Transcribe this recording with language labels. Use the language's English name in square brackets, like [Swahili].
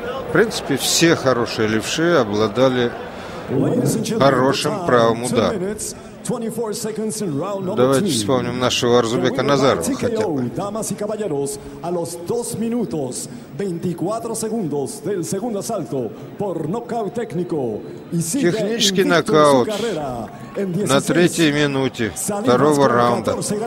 [Russian] В принципе, все хорошие левши обладали хорошим правым ударом. Давайте вспомним нашего Арзубека Назарова хотя бы. Дамы и [Spanish] caballeros, a los 2 minutos 24 segundos del segundo asalto por nocaut técnico. [Russian] Технический нокаут на третьей минуте второго раунда.